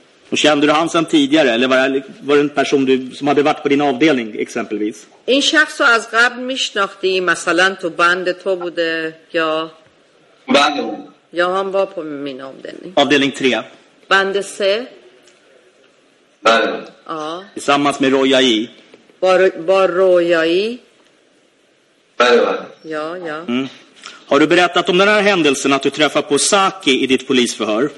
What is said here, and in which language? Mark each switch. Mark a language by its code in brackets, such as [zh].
[sv] Och kände du han sen tidigare eller var det en person du som hade varit på din avdelning exempelvis? [fa] این شخص رو از قبل میشناختی مثلا تو بند تو بوده یا Bande. [sv] Ja, han var på min avdelning. Avdelning 3. [fa] Bande C. Bande. [sv] Ja. Tillsammans med Roya I. Var Roya I? [fa] Bande. [sv] Ja, ja. Mm. Har du berättat om den här händelsen att du träffar på Saki i ditt polisförhör?